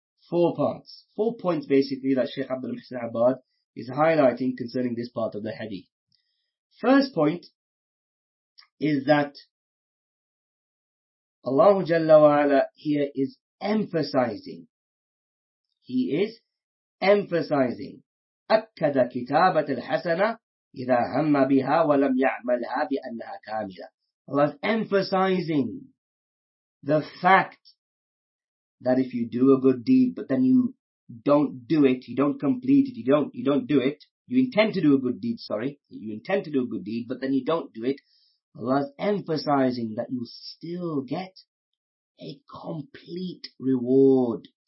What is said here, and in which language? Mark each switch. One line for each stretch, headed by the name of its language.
English: 4 points basically that Sheikh Abdul Muhsin Abbad is highlighting concerning this part of the hadith. First point is that Allah Jalla wa Ala here is emphasizing. He is emphasizing.
Arabic: أكد كتابة الحسنة إِذَا هَمَّ بِهَا وَلَمْ يَعْمَلْهَا بِأَنَّهَا كَامِلَةً.
English: Allah is emphasizing the fact that if you do a good deed, but then you don't do it, you don't complete it, you don't do it, you intend to do a good deed, but then you don't do it, Allah is emphasizing that you still get a complete reward.